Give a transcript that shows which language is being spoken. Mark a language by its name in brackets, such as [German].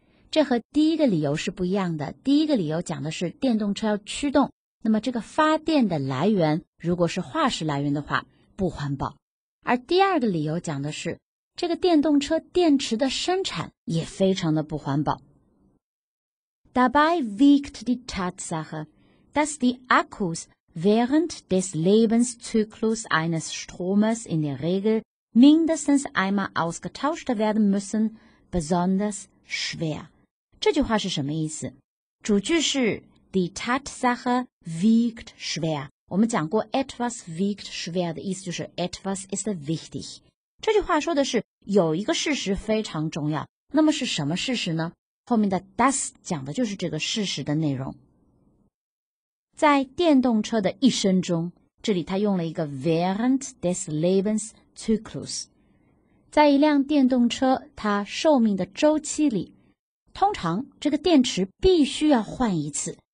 [Chinese] 这和第一个理由是不一样的，第一个理由讲的是电动车要驱动，那么这个发电的来源如果是化石来源的话不环保，而第二个理由讲的是这个电动车电池的生产也非常的不环保。 [German] Dabei wiegt die Tatsache dass die AkkusWährend des Lebenszyklus eines Stromes in der Regel mindestens einmal ausgetauscht werden müssen, besonders schwer. [Chinese] 这句话是什么意思？主句是 [German] Die Tatsache wiegt schwer. [Chinese] 我们讲过 [German] etwas wiegt schwer [Chinese] 的意思就是 [German] etwas ist wichtig. [Chinese] 这句话说的是有一个事实非常重要。那么是什么事实呢？后面的 das 讲的就是这个事实的内容。在电动车的一生中，这里他用了一个 [German] während des Lebenszyklus， [Chinese] 在一辆电动车它寿命的周期里，通常这个电池必须要换一次。